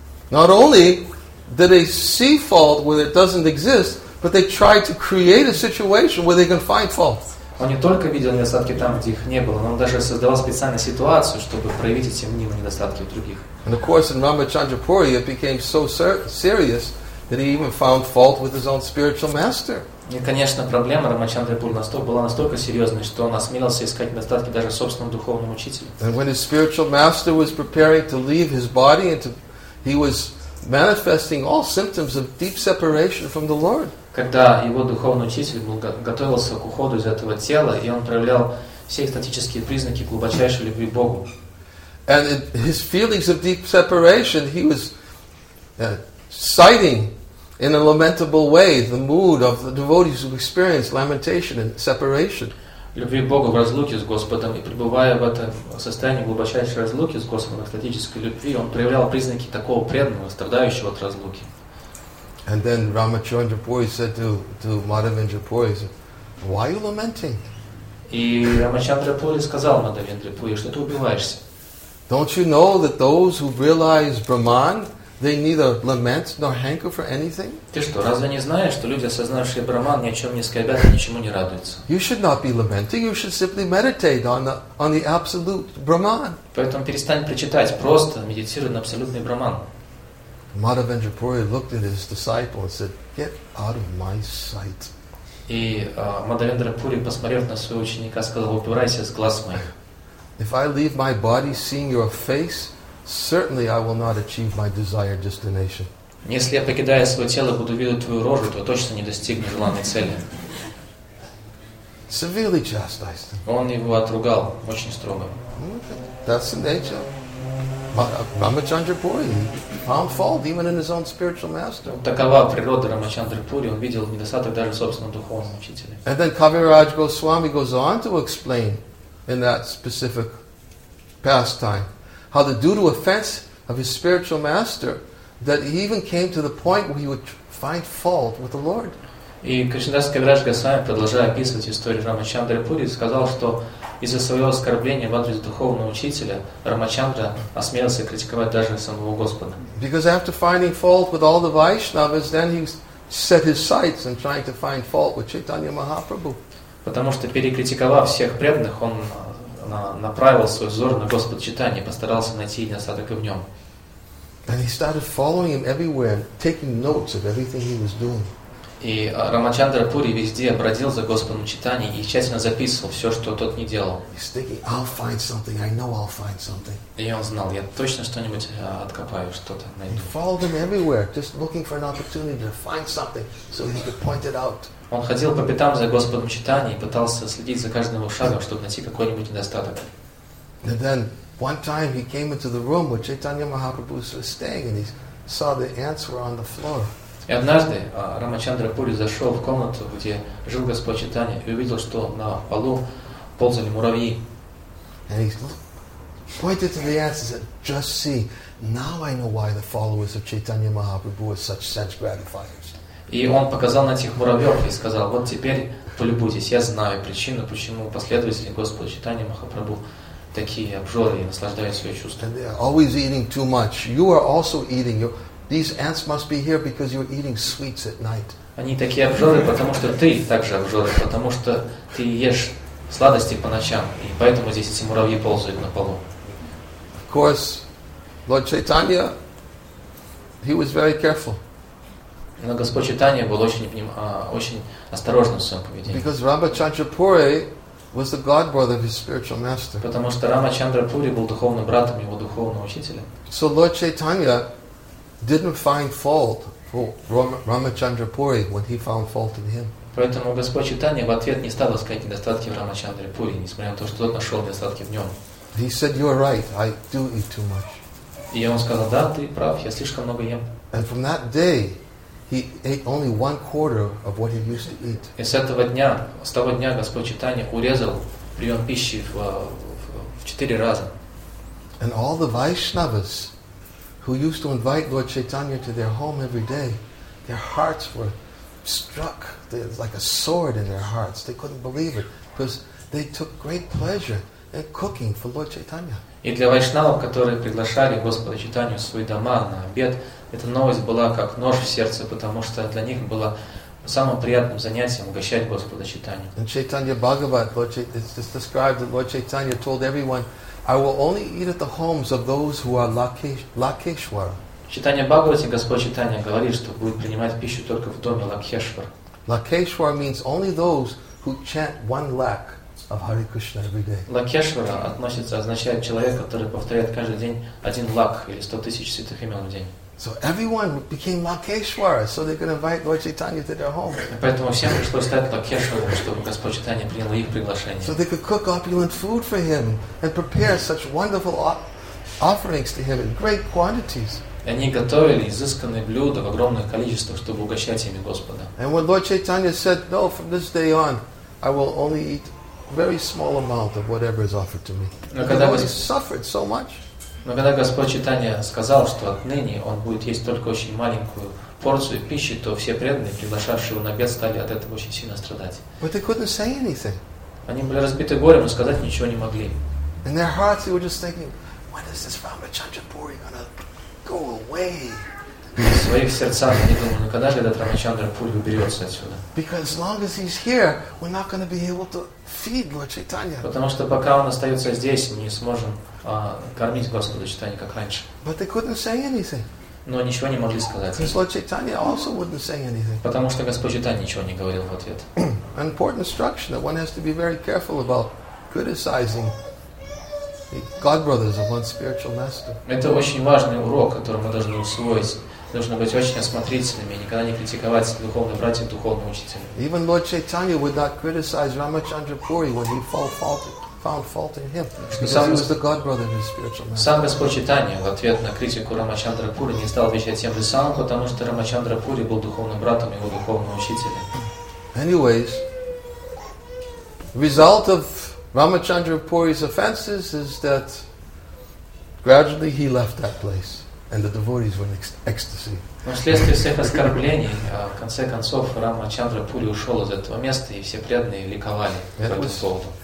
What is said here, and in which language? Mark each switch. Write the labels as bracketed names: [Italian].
[English] Not only did they see fault where it doesn't exist, but they try to create a situation where they can find fault. [Russian] Он не только видел недостатки там, где их не было, но он даже создавал специальную ситуацию, чтобы проявить эти мнимые недостатки у других. [English] And of course, in Ramachandra Puri, it became so serious that he even found fault with his own spiritual master. [Russian] И, конечно, проблема Рамачандра Пури была настолько серьезной, что он осмелился искать недостатки даже собственному духовному учителю. [English] And when his spiritual master was preparing to leave his body and he was manifesting all symptoms of deep separation from the Lord. [Russian] Когда его духовный учитель готовился к уходу из этого тела, и он проявлял все экстатические признаки глубочайшей любви к Богу. [English] And in his feelings of deep separation, he was citing in a lamentable way the mood of the devotees who experienced lamentation and separation. [Russian] Любви к Богу в разлуке с Господом и пребывая в этом состоянии глубочайшей разлуки с Господом, экстатической любви, он проявлял признаки такого преданного, страдающего от разлуки. [English] And then Ramachandra Puri said to Madhavendra Puri, he said, why are you lamenting? [Russian] И Рамачандра Пури сказал Мадхавендре Пури, что ты убиваешься. [English] Don't you know that those who realize Brahman, they neither lament nor hanker for anything? [Russian] Ты что, разве не знаешь, что люди, осознавшие Брахман, ни о чем не скорбят и ничему не радуются? [English] You should not be lamenting, you should simply meditate on the absolute Brahman. [Russian] Поэтому перестань причитать, просто медитируй на абсолютный Брахман. [English] Madhavendra Puri looked at his disciple and said, get out of my sight. [Russian] И Мадхавендра Пури, посмотрев на своего ученика, сказал, убирайся с глаз моих. [English] If I leave my body seeing your face, certainly I will not achieve my desired destination. [Russian] Если я покидаю свое тело, буду видеть твою рожу, то точно не достигну желанной цели. [English] Severely chastised. [Russian] Он его отругал очень строго. [English] That's the nature. Рамачандра Пури found fault even in his own spiritual master. [Russian] Такова природа Рамачандры Пури. Он видел недостаток даже в собственном духовном учителе. [English] And then Kaviraj Goswami goes on to explain in that specific pastime how that due to offense of his spiritual master that he even came to the point where he would find fault with the Lord. [Russian] И Кришнадас Кавираж Госвами, продолжая описывать историю Рамачандры Пури, сказал, что из-за своего оскорбления в адрес духовного учителя Рамачандра осмелился критиковать даже самого Господа. [English] Because after finding fault with all the Vaishnavas, then he set his sights and trying to find fault with Chaitanya Mahaprabhu. [Russian] Потому что перекритиковав всех преданных, он направил свой взор на Господа Чайтанью и постарался найти недостаток в нем. [English] And he started following him everywhere, taking notes of everything he was doing. [Russian] И Рамачандра Пури везде бродил за Господом Чайтаньей и тщательно записывал все, что тот не делал. [English] He's thinking, I'll find something. I know I'll find something. [Russian] И он знал, я точно что-нибудь откопаю, что-то найду. [English] He followed him everywhere, just looking for an opportunity to find something so he could point it out. [Russian] Он ходил по пятам за Господом Чайтаньей и пытался следить за каждым его шагом, чтобы найти какой-нибудь недостаток. [English] And then one time he came into the room where Chaitanya Mahaprabhu was staying and he saw the ants were on the floor. [Russian] И однажды Рамачандра Пури зашел в комнату, где жил Господь Чайтанья, и увидел, что на полу ползали муравьи. [English] And he pointed to the ants and said, "Just see, now I know why the followers of Chaitanya Mahaprabhu are such sense gratifiers." [Russian] И он показал на этих муравьев и сказал, вот теперь полюбуйтесь, я знаю причину, почему последователи Господа Чайтанья Махапрабху такие обжоры и наслаждаются своими чувствами. [English] And they are always eating too much. You are also eating. These ants must be here because you're eating sweets at night. [Russian] Они такие обжоры, потому что ты также обжоры, потому что ты ешь сладости по ночам, и поэтому здесь эти муравьи ползают на полу. [English] Of course, Lord Chaitanya, he was very careful. [Russian] Но Господь Чайтанья был очень осторожным в своем поведении. [English] Because Рамачандра Пури was the godbrother of his spiritual master. [Russian] Потому что Рамачандра Пури был духовным братом его духовного учителя. [English] So Lord Chaitanya didn't find fault for Рамачандра Пури when he found fault in him. [Russian] Поэтому Господь Чайтанья в ответ не стал искать недостатки в Рамачандре Пури, несмотря на то, что тот нашел недостатки в нем. [English] He said, "You're right. I do eat too much." [Russian] И он сказал: "Да, ты прав. Я слишком много ем." [English] And from that day, he ate only one quarter of what he used to eat. [Russian] И с того дня Господь Чайтанья урезал прием пищи в 4 раза. [English] And all the Vaishnavas who used to invite Lord Chaitanya to their home every day, their hearts were struck like a sword in their hearts. They couldn't believe it because they took great pleasure in cooking for Lord Chaitanya. [Russian] И для вайшнавов, которые приглашали Господа Чайтанью в свои дома на обед, эта новость была как нож в сердце, потому что для них было самым приятным занятием угощать Господа Чайтанью. [English] In Chaitanya Bhagavat, it's described that Lord Chaitanya told everyone, "I will only eat at the homes of those who are Lakheshwara." [Russian] В Чайтанья Бхагавате Господь Чайтанья говорит, что будет принимать пищу только в доме Лакхешвар. [English] Лакхешвара means only those who chant one lakh of Hare Krishna every day. [Russian] Лакхешвара означает человек, который повторяет каждый день один лакх или 100 000 святых имен в день. [English] So everyone became Lakheshwara, so they could invite Lord Chaitanya to their home. [Russian] Поэтому всем пришлось стать Лакхешварами, чтобы Господь Чайтанья принял их приглашение. [English] So they could cook opulent food for him and prepare such wonderful offerings to him in great quantities. [Russian] Они готовили изысканные блюда в огромных количествах, чтобы угощать ими Господа. [English] And when Lord Chaitanya said, "No, from this day on, I will only eat very small amount of whatever is offered to me," he suffered so much. [Russian] Но когда Господь Чайтанья сказал, что отныне он будет есть только очень маленькую порцию пищи, то все преданные, приглашавшие его на обед, стали от этого очень сильно страдать. [English] But they couldn't say anything. [Russian] Они были разбиты горем, но сказать ничего не могли. [English] In their hearts they were just thinking, "When is this Рамачандра Пури gonna go away?" [Russian] В своих сердцах они думали, когда же этот Рамачандра Пури уберется отсюда. [English] Because as long as he's here, we're not gonna be able to feed Lord Chaitanya. [Russian] Потому что пока он остается здесь, мы не сможем кормить Господа Чайтанью, как раньше. [English] But they couldn't say anything. [Russian] Но ничего не могли сказать. [English] Because Lord Chaitanya also wouldn't say anything. [Russian] Потому что Господь Чайтанья ничего не говорил в ответ. [English] An important instruction that one has to be very careful about criticizing godbrothers of one's spiritual master. [Russian] Это очень важный урок, который мы должны усвоить. Нужно быть очень осмотрительными и никогда не критиковать духовных братьев, духовного учителя. [English] Even Lord Chaitanya would not criticize Ramachandra Puri when he found fault in him. Because he was the God brother in his spiritual life. [Russian] Сам Господь Чайтанья в ответ на критику Рамачандра Пури не стал вещать тем же самым, потому что Рамачандра Пури был духовным братом его духовного учителя. [English] Anyways, result of Ramachandra Puri's offenses is that gradually he left that place. And the devotees were in ecstasy. [Russian] Вследствие всех оскорблений, в конце концов, Рамачандра Пури ушел из этого места, и все преданные ликовали по этому поводу.